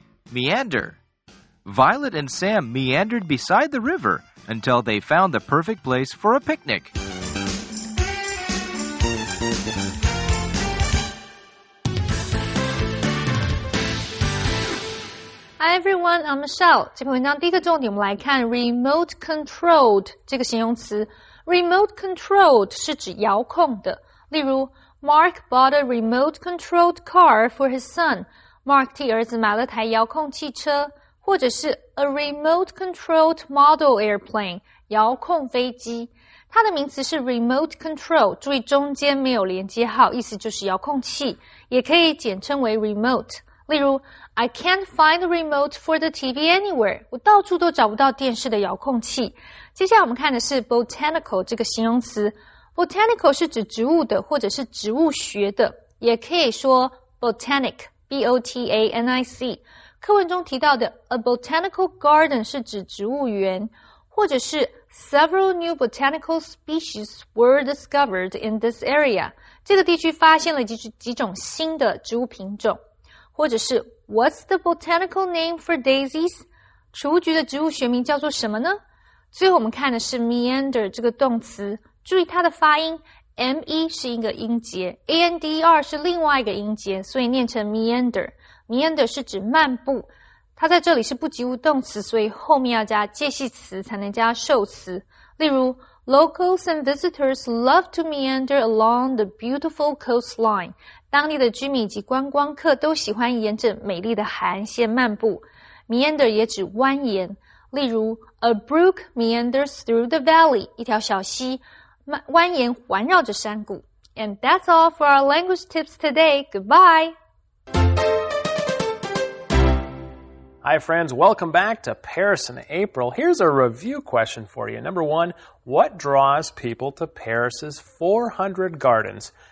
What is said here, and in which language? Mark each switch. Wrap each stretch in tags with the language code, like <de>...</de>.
<en>Meander. Violet and Sam meandered beside the river until they found the perfect place for a picnic. Hi everyone, I'm Michelle.</en> <zh>这篇文章第一个重点我们来看 remote controlled 这个形容词。 Remote controlled 是指遥控的。例如</zh> <en>,Mark bought a remote controlled car for his son.</en> <zh>Mark 替儿子买了台遥控汽车。或者是</zh> <en>a remote controlled model airplane,</en> <zh>遥控飞机。它的名词是 remote control, 注意中间没有连接号，意思就是遥控器，也可以简称为 remote。例如</zh> <en>,I can't find the remote for the TV anywhere,</en> <zh>我到处都找不到电视的遥控器。接下来我们看的是 botanical 这个形容词。Botanical 是指植物的或者是植物学的，也可以说 botanic, B-O-T-A-N-I-C。课文中提到的</zh> <en>a botanical garden</en> <zh>是指植物园，或者是</zh> <en>several new botanical species were discovered in this area,</en> <zh>这个地区发现了 几种新的植物品种。</zh> <en>或者是 What's the botanical name for daisies?</en> <zh>雏菊的植物学名叫做什么呢？最后我们看的是 meander 这个动词，注意它的发音 ,me 是一个音节 ,ander 是另外一个音节，所以念成 meander。 meander 是指漫步，它在这里是不及物动词，所以后面要加介系词才能加受词。例如</zh> <en>,locals and visitors love to meander along the beautiful coastline.</en> <zh>当地的居民以及观光客都喜欢沿着美丽的海岸线漫步。 meander 也指蜿蜒。例如 ,</zh> <en>a brook meanders through the valley,</en> <zh>一条小溪蜿蜒环绕着山谷。</zh> <en>And that's all for our language tips today. Goodbye! Hi friends, welcome back to Paris in April. Here's a review question for you. Number one, what draws people to Paris's 400 gardens?</en>